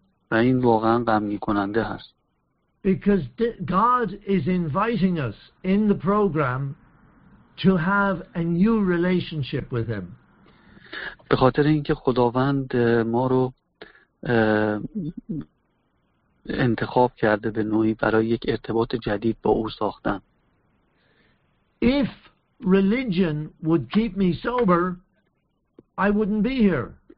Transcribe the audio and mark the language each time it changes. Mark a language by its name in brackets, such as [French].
[Persian] و این واقعا غمگین کننده هست. [English] Because God is inviting us in the program to have a new relationship with him. [Persian] به خاطر اینکه خداوند ما رو انتخاب کرده به نوعی برای یک ارتباط جدید با او ساختن. [English] If religion would keep me sober, I wouldn't be here.